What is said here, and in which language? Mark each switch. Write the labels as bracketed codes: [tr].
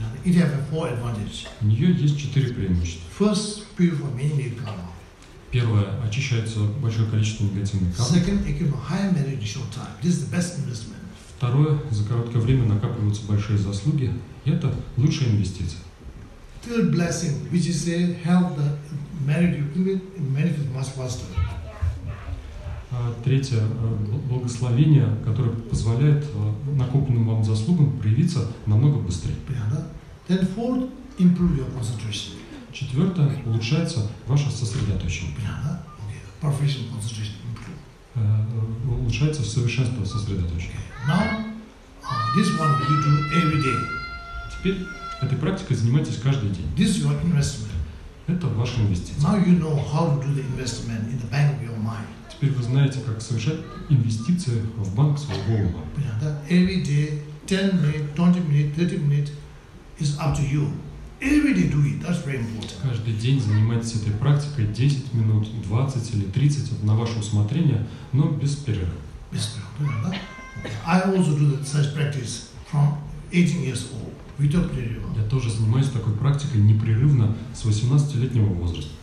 [en] It has four advantages. [ru] У нее есть четыре преимущества. [en] First, purify many karma. [ru] Первое, очищается большое количество негативных карм. [en] Second, accumulate high merit in short time. This is the best investment. [ru] Второе, за короткое время накапливаются большие заслуги. И это лучшая инвестиция. [en] Third blessing, which is help the merit you accumulate manifest much faster. [ru] Третье благословение, которое позволяет накопленным вам заслугам проявиться намного быстрее. [en] Then fourth, improve your concentration. [ru] Четвертое, улучшается ваше сосредоточение. [en] Professional concentration improve. [ru] Улучшается совершенство сосредоточения. [en] Now, this one you do every day. [ru] Теперь этой практикой занимайтесь каждый день. [en] This is your investment. [ru] Это ваша инвестиция. [en] Now you know how to do the investment in the bank of your mind. [ru] Теперь вы знаете, как совершать инвестиции в банк своего ума. [en] Every day, 10 minutes, 20 minutes, 30 minutes is up to you. Every day do it, that's very important. [ru] Каждый день занимайтесь этой практикой 10 минут, 20 или 30, на ваше усмотрение, но без перерыва. Без перерыва. [en] I also do that such practice from 18 years old. Without prayer. [ru] Я тоже занимаюсь такой практикой непрерывно с 18-летнего возраста.